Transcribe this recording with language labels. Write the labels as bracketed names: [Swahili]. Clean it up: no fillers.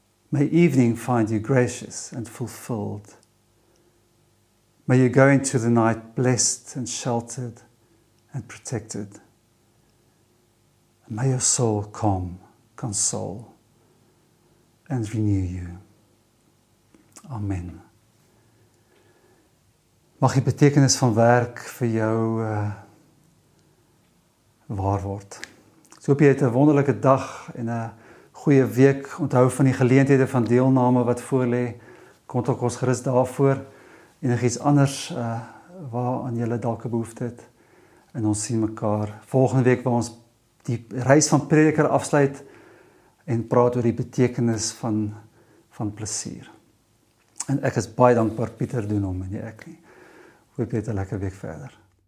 [English] May evening find you gracious and fulfilled. May you go into the night blessed and sheltered and protected. May your soul calm, console, and renew you. Amen." [Afrikaans] Mag die betekenis van werk vir jou waar word. So hoop jy het 'n wonderlike dag en 'n goeie week. Onthou van die geleenthede van deelname wat voorlê. Kontak ons gerus daarvoor. Enigiets anders waaraan jy dalk 'n behoefte het. En ons sien mekaar volgende week waar ons die reis van prediker afsluit en praat oor die betekenis van plesier. En ek is baie dankbaar Pieter Doenhom en nie ek nie. Hoop jy het 'n lekker week verder.